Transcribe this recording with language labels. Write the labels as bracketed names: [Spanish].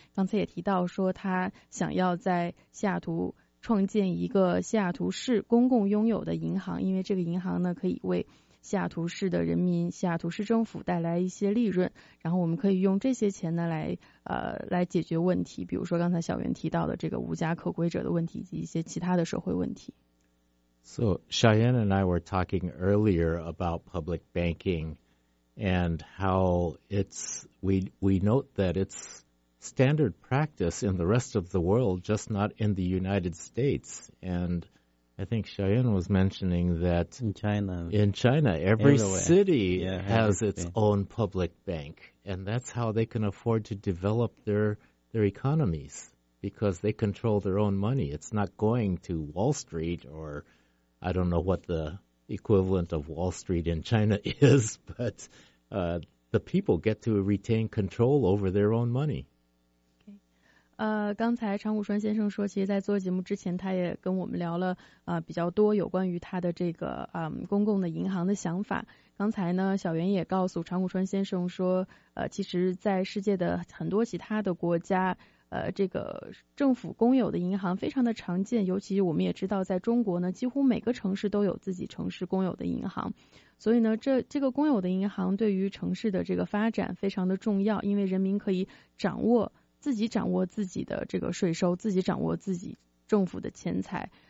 [Chinese] 刚才也提到说，他想要在西雅图创建一个西雅图市公共拥有的银行，因为这个银行呢可以为西雅图市的人民、西雅图市政府带来一些利润，然后我们可以用这些钱呢来解决问题，比如说刚才小袁提到的这个无家可归者的问题以及一些其他的社会问题。 [English] So Cheyenne and I were talking earlier about public banking and how we note that it's standard practice in the rest of the world, just not in the United States. And I think Cheyenne was mentioning that in China, every city has its own public bank. And that's how they can afford to develop their economies, because they control their own money. It's not going to Wall Street or I don't know what the equivalent of Wall Street in China is, but the people get to retain control over their own money. Okay. [Chinese] 刚才常务川先生说，其实在做节目之前，他也跟我们聊了比较多有关于他的这个公共的银行的想法。刚才呢，小袁也告诉常务川先生说，其实在世界的很多其他的国家，这个政府公有的银行非常的常见，尤其我们也知道在中国呢，几乎每个城市都有自己城市公有的银行，所以呢这个公有的银行对于城市的这个发展非常的重要，因为人民可以掌握自己的这个税收，自己掌握自己政府的钱财，